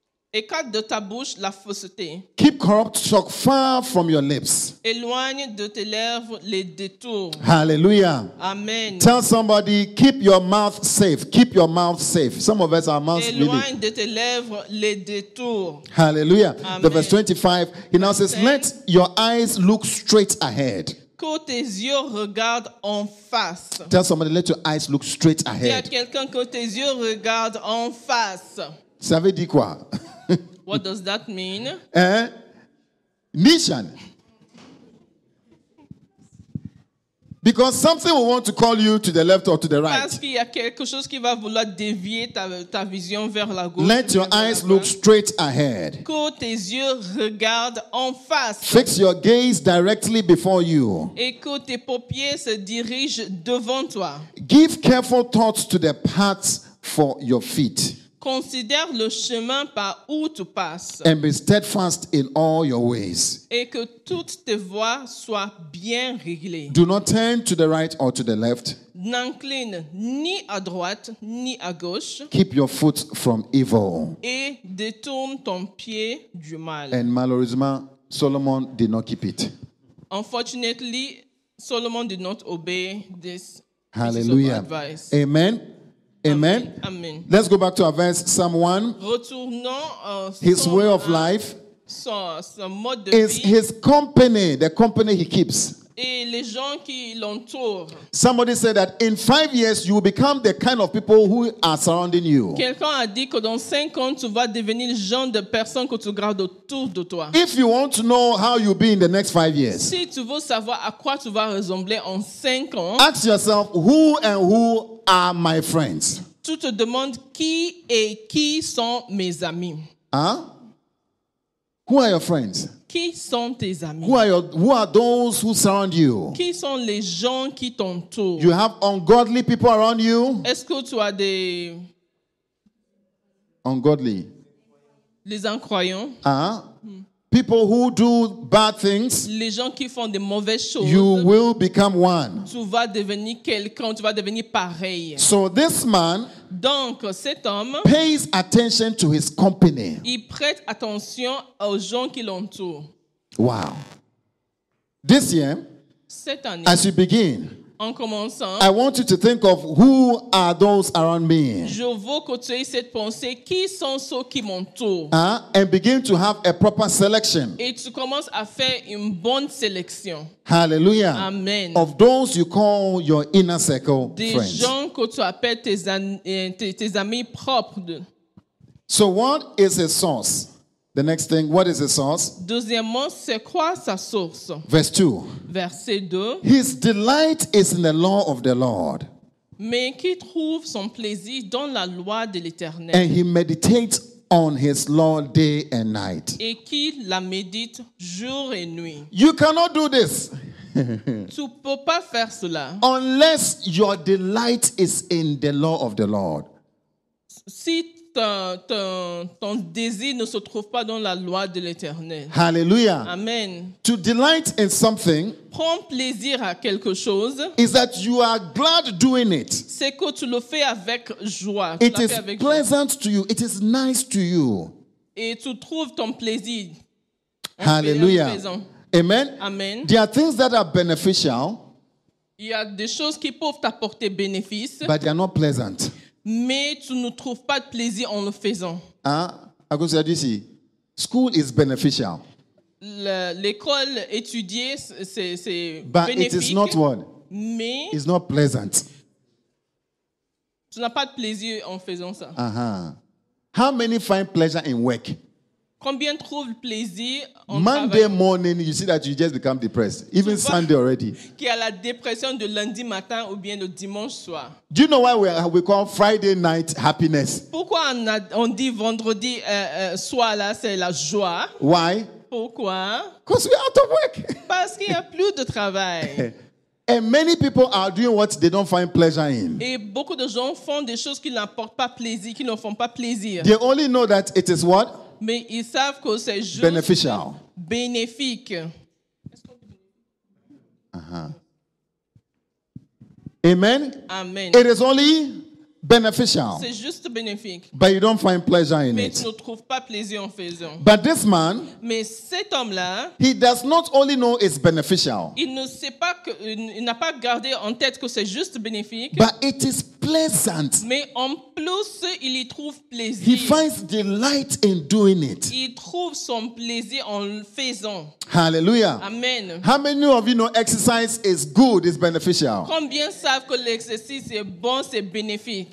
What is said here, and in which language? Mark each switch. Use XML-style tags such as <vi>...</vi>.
<fr>Écarte de ta bouche la fausseté.</fr> <en>Keep corrupt talk far from your lips.</en> <fr>Éloigne de tes lèvres les détours. Hallelujah. Amen.</fr> <en>Tell somebody, keep your mouth safe. Keep your mouth safe. Some of us are mouth</en> <fr>éloigne</fr> <en>really.</en> <fr>De tes lèvres les détours. Hallelujah. Amen.</fr> <en>The verse 25, he now says, let your eyes look straight ahead.</en> <fr>Que tes yeux regardent en face.</fr> <en>Tell somebody, let your eyes look straight ahead.</en> <fr>Dis à quelqu'un que tes yeux regardent en face. Ça veut dire quoi?</fr> <en>What does that mean? Nishan. Because something will want to call you to the left or to the right.</en> <fr>Parce qu'il y a quelque chose qui va vouloir dévier ta vision vers la gauche.</fr> <en>Let your eyes look straight ahead.</en> <fr>Que tes yeux regardent en face.</fr> <en>Fix your gaze directly before you.</en> <fr>Et que tes paupières se dirigent devant toi.</fr> <en>Give careful thoughts to the paths for your feet.</en> <fr>Considère le chemin par où tu passes.</fr> <en>And be steadfast in all your ways.</en> <fr>Et que toutes tes voies soient bien réglées.</fr> <en>Do not turn to the right or to the left.</en> <fr>N'incline ni à droite ni à gauche.</fr> <en>Keep your foot from evil.</en> <fr>Et détourne ton pied du mal.</fr> <en>And</en> <fr>malheureusement,</fr> <en>Solomon did not keep it. Unfortunately, Solomon did not obey this. Hallelujah. Advice. Amen. Amen. Amen. Let's go back to our verse, Psalm 1. His way of life is his company, the company he keeps.</en> <fr>Et les gens qui l'entourent.</fr> <en>Somebody said that in 5 years you will become the kind of people who are surrounding you.</en> <fr>Quelqu'un a dit que dans 5 ans tu vas devenir le genre de personne que tu gardes autour de toi.</fr> <en>If you want to know how you'll be in the next 5 years.</en> <fr>Si tu veux savoir à quoi tu vas ressembler en 5 ans.</fr> <en>Ask yourself who and who are my friends.</en> <fr>Tu te demandes qui et qui sont mes amis.</fr> <en>Hein? Who are your friends?</en> <fr>Qui sont tes amis?</fr> <en>Who are those who surround you?</en> <fr>Qui sont les gens qui t'entourent?</fr> <en>You have ungodly people around you?</en> <fr>Est-ce que tu as des...</fr> <en>Ungodly?</en> <fr>Les incroyants? Hein?</fr> <en>People who do bad things,</en> <fr>les gens qui font des mauvaises choses,</fr> <en>you will become one.</en> <fr>Tu vas devenir quelqu'un, tu vas devenir pareil.</fr> <en>So this man,</en> <fr>donc cet homme,</fr> <en>pays attention to his company.</en> <fr>Il prête attention aux gens qui l'entourent.</fr> <en>Wow. This year,</en> <fr>cette année,</fr> <en>as you begin,</en> <fr>en commençant,</fr> <en>I want you to think of who are those around me.</en> <fr>Je veux que tu aies cette pensée, qui sont ceux qui m'entourent? Hein?</fr> <en>And begin to have a proper selection.</en> <fr>Et tu commences à faire une bonne sélection. Hallelujah. Amen.</fr> <en>Of those you call your inner circle</en> <fr>des</fr> <en>friends.</en> <fr>Des gens que tu appelles tes amis propres.</fr> <en>So what is his source? The next thing, what is his source?</en> <fr>Deuxièmement, c'est quoi sa source?</fr> <en>Verse 2.</en> <fr>Verset 2.</fr> <en>His delight is in the law of the Lord.</en> <fr>Mais qui trouve son plaisir dans la loi de l'Éternel.</fr> <en>And he meditates on his law day and night.</en> <fr>Et qui la médite jour et nuit.</fr> <en>You cannot do this.</en> <fr>Tu peux pas faire cela.</fr> <en>Unless your delight is in the law of the Lord.</en> <fr>Si ton désir ne se trouve pas dans la loi de l'Éternel. Hallelujah. Amen.</fr> <en>To delight in something,</en> <fr>prends plaisir à quelque chose,</fr> <en>is that you are glad doing it.</en> <fr>C'est que tu le fais avec joie.</fr> <en>It is pleasant to you. It is nice to you.</en> <fr>Et tu trouves ton plaisir. Hallelujah. Amen. Amen.</fr> <en>There are things that are beneficial.</en> <fr>Il y a des choses qui peuvent t'apporter bénéfice.</fr> <en>But they are not pleasant.</en> <fr>Mais tu ne trouves pas de plaisir en le faisant. Hein? À cause de ça,</fr> <en>school is beneficial.</en> <fr>L'école étudier, c'est bénéfique.</fr> <en>But it is not what?</en> <fr>Mais</fr> <en>it's not pleasant.</en> <fr>Tu n'as pas de plaisir en faisant ça. Uh-huh.</fr> <en>How many find pleasure in work?</en> <fr>Combien trouvent plaisir en travail?</fr> <en>Monday morning, you see that you just become depressed. Even Sunday already.</en> <fr>Qui a la dépression de lundi matin ou bien le dimanche soir?</fr> <en>Do you know why we call Friday night happiness?</en> <fr>Pourquoi on dit vendredi soir là c'est la joie?</fr> <en>Why?</en> <fr>Pourquoi?</fr> <en>Because we're out of work.</en> <fr>Parce qu'il y a plus de travail.</fr> <en>And many people are doing what they don't find pleasure in.</en> <fr>Et beaucoup de gens font des choses qui n'apportent pas plaisir, qui ne font pas plaisir.</fr> <en>They only know that it is what?</en> <fr>Mais ils savent que c'est juste</fr> <en>beneficial.</en> <fr>Bénéfique. Uh-huh. Amen. Amen.</fr> <en>It is only beneficial.</en> <fr>C'est juste bénéfique.</fr> <en>But you don't find pleasure in it.</en> <fr>Mais tu ne trouves pas plaisir en faisant.</fr> <en>But this man,</en> <fr>mais cet homme-là,</fr> <en>he does not only know it's beneficial.</en> <fr>Il ne sait pas que, il n'a pas gardé en tête que c'est juste bénéfique.</fr> <en>But it is pleasant.</en> <fr>Mais en plus, il y trouve plaisir.</fr> <en>He finds delight in doing it.</en> <fr>Il trouve son plaisir en faisant. Hallelujah. Amen.</fr> <en>How many of you know exercise is good, is beneficial?</en> <fr>Combien savent que l'exercice est bon, c'est bénéfique?</fr>